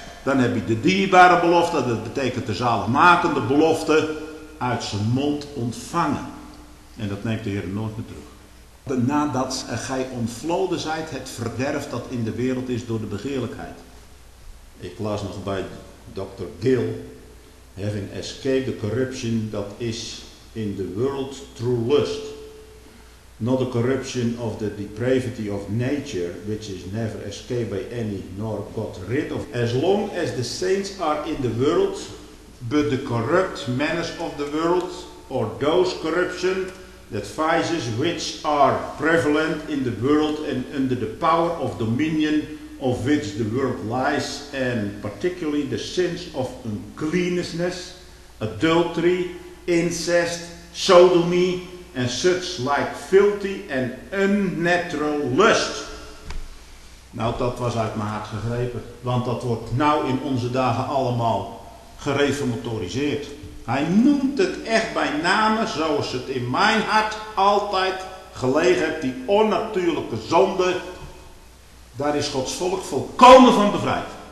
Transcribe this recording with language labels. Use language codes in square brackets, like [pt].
[nl] Dan heb je de dierbare belofte. Dat betekent de zaligmakende belofte. Uit zijn mond ontvangen. En dat neemt de Heer nooit meer terug. Nadat gij ontvloden zijt, het verderf dat in de wereld is door de begeerlijkheid. Ik las nog bij Dr. Gill. [en] Having escaped the corruption that is in the world through lust. Not the corruption of the depravity of nature, which is never escaped by any, nor got rid of. As long as the saints are in the world, but the corrupt manners of the world, or those corruption, that vices which are prevalent in the world and under the power of dominion of which the world lies, and particularly the sins of uncleanness, adultery, incest, sodomy, and such like filthy and unnatural lust. [nl] Nou, dat was uit mijn hart gegrepen, want dat wordt nou in onze dagen allemaal gereformatoriseerd. Hij noemt het echt bij name zoals het in mijn hart altijd gelegen heeft. Die onnatuurlijke zonde, daar is Gods volk volkomen van bevrijd.